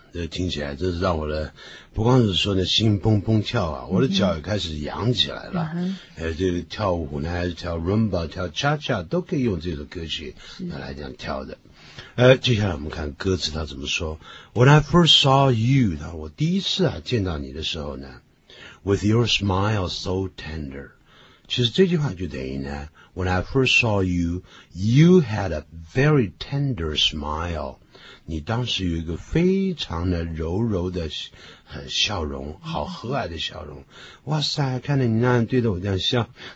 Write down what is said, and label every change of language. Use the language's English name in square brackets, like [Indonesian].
[Chinese] 听起来真是让我的不光是说的心蹦蹦跳啊，我的脚也开始扬起来了。这个跳舞呢，还是跳 rumba 跳 cha cha 都可以用这首歌曲来讲跳的。接下来我们看歌词他怎么说。 [English] When I first saw you, [Chinese] 我第一次啊见到你的时候呢 [English] ,with your smile so tender. [Chinese] 其实这句话就等于呢 [English] ,when I first saw you, you had a very tender smile. [Chinese] 你当时有一个非常的柔柔的笑容，好和蔼的笑容。哇塞，看着你那样对着我这样笑。